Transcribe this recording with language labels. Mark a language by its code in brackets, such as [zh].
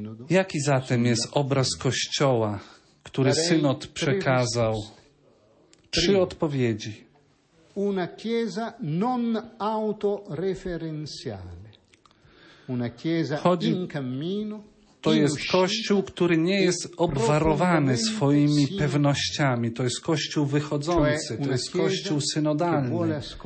[pl] Jaki zatem jest obraz Kościoła, który Synod przekazał? Trzy odpowiedzi. [it] Una chiesa non autoreferenziale. Una chiesa in cammino. [pl] To jest Kościół, który nie jest obwarowany swoimi pewnościami. To jest Kościół wychodzący. To jest Kościół synodalny.